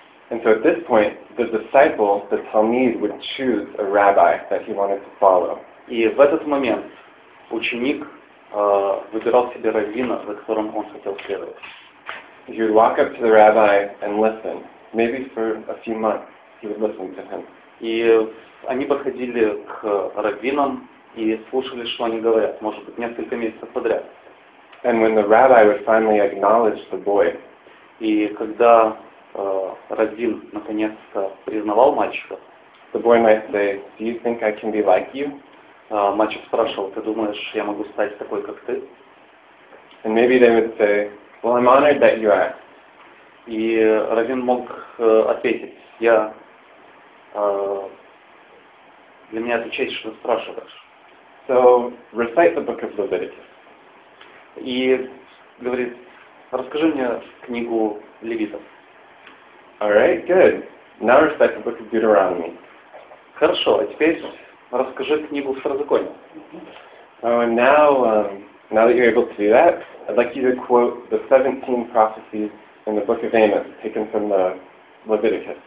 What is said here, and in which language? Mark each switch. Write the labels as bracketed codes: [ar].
[en] And so at this point, the disciple, the Talmid, would choose a rabbi that he wanted to follow. [ru] И в этот момент ученик выбирал себе раввина, за которым он хотел следовать. [en] He would walk up to the rabbi and listen. Maybe for a few months he would listen to him. [ru] И они подходили к раввинам и слушали, что они говорят, может быть, несколько месяцев подряд. [en] And when the rabbi would finally acknowledge the boy, [ru] и когда раввин наконец-то признавал мальчика, [en] the boy might say, "Do you think I can be like you?" [ru] Мальчик спрашивал, ты думаешь, я могу стать такой, как ты? [en] And maybe they would say, "Well, I'm honored that you asked." [ru] И раввин мог ответить, я для меня это честь, что спрашиваешь. [en] So recite the book of Leviticus. [ru] И говорит, расскажи мне книгу Левитов. [en] All right, good. Now recite the book of Deuteronomy. [ru] Хорошо, а теперь расскажи книгу Второзакония. [en] Now that you're able to do that, I'd like you to quote the 17 prophecies in the book of Amos, taken from the Leviticus.